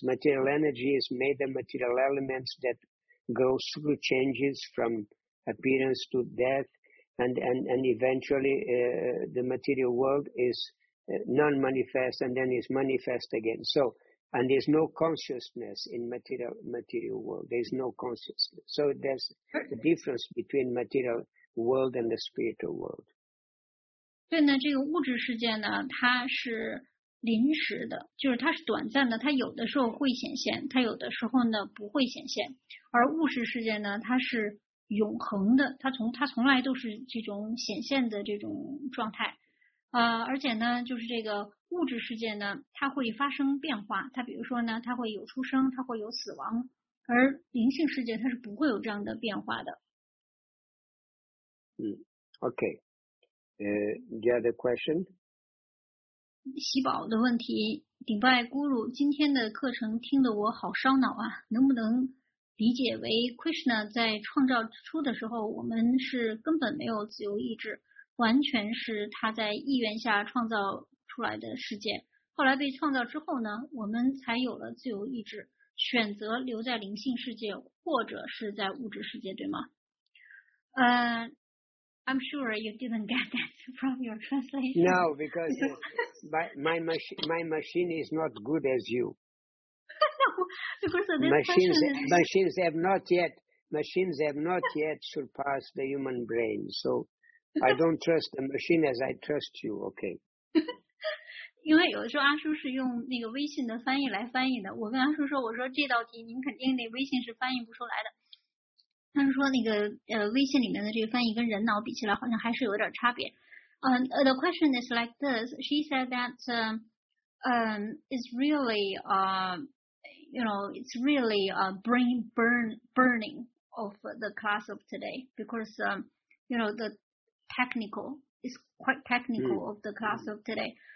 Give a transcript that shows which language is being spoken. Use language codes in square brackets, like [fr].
[en] Material energy is made of material elements that goes through changes from appearance to death, and eventually the material world is non-manifest and then is manifest again. So. And there's no consciousness in material world. There's no consciousness. So there's the difference between material world and the spiritual world. [zh] 所以呢，这个物质世界呢，它是临时的，就是它是短暂的，它有的时候会显现，它有的时候呢不会显现。而物质世界呢，它是永恒的，它从来都是这种显现的这种状态。而且呢，就是这个物质世界呢，它会发生变化，它比如说呢，它会有出生，它会有死亡，而灵性世界它是不会有这样的变化的。 [en] OK. The other question. [zh] 喜宝的问题，顶拜咕噜，今天的课程听得我好烧脑啊，能不能理解为 Krishna 在创造初的时候，我们是根本没有自由意志，完全是他在意愿下创造出来的世界，后来被创造之后呢，我们才有了自由意志，选择留在灵性世界或者是在物质世界，对吗？ [en] I'm sure you didn't get that from your translation. No, because my machine is not good as you. Because of this machines, question, machines have not yet surpassed the human brain. So I don't trust the machine as I trust you. Okay. [zh] 因为有的时候阿叔是用那个微信的翻译来翻译的。我跟阿叔说，我说这道题您肯定那微信是翻译不出来的。他说那个微信里面的这个翻译跟人脑比起来好像还是有点差别。 [en] The question is like this. She said that it's really a brain burning of the class of today because the technical is quite technical of the class of today.